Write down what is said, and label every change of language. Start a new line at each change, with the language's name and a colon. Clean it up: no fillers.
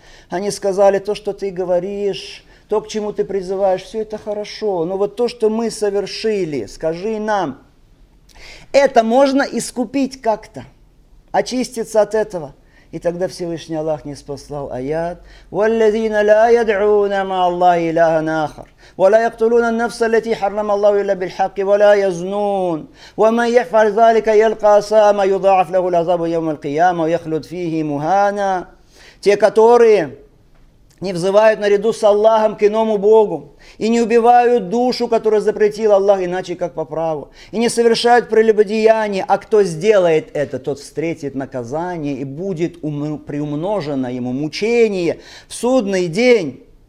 Russian: Они сказали: то, что ты говоришь, то, к чему ты призываешь, все это хорошо, но вот то, что мы совершили, скажи нам, это можно искупить как-то, очиститься от этого. И тогда Всевышний Аллах ниспослал аят:
Arabic: «Валлязина ля ядгуна ма Аллахи илляхан ахар». ولا يقتلون النفس التي حرم الله إلا بالحق ولا يزنون ومن يفعل ذلك يلقى أثاما يضاعف له العذاب يوم القيامة ويخلد فيه مهانا.
Russian: Те, которые не взывают наряду с Аллахом к иному Богу и не убивают душу, которую запретил Аллах, иначе как по праву, и не совершают прелюбодеяние, а кто сделает это, тот встретит наказание и будет приумножено ему мучение в судный день.